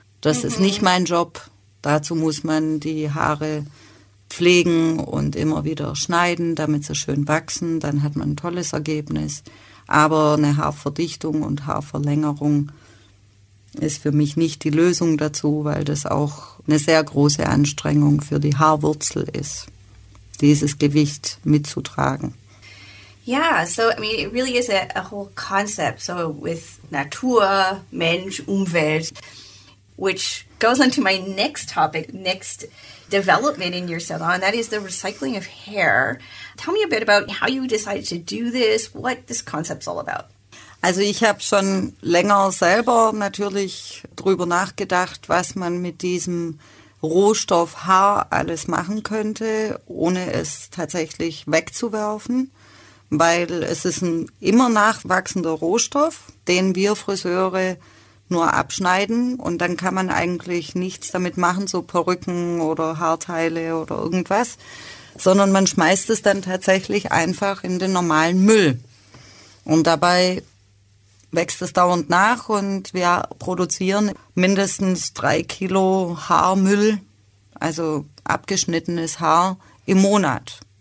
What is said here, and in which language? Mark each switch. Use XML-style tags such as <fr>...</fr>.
<de>Das ist nicht mein Job. Dazu muss man die Haare pflegen und immer wieder schneiden, damit sie schön wachsen. Dann hat man ein tolles Ergebnis. Aber eine Haarverdichtung und Haarverlängerung ist für mich nicht die Lösung dazu, weil das auch eine sehr große Anstrengung für die Haarwurzel ist, dieses Gewicht mitzutragen.</de> <en>Yeah, so I mean, it really is a whole concept. So with Natur, Mensch, Umwelt, which goes on to my next topic, next development in your salon, that is the recycling of hair. Tell me a bit about how you decided to do this, what this concept's all about.</en> <de>Also ich habe schon länger selber natürlich drüber nachgedacht, was man mit diesem Rohstoff Haar alles machen könnte, ohne es tatsächlich wegzuwerfen, weil es ist ein immer nachwachsender Rohstoff, den wir Friseure nur abschneiden und dann kann man eigentlich nichts damit machen, so Perücken oder Haarteile oder irgendwas, sondern man schmeißt es dann tatsächlich einfach in den normalen Müll und dabei wächst es dauernd nach und wir produzieren mindestens 3 Kilo Haarmüll, also abgeschnittenes Haar, im Monat.</de>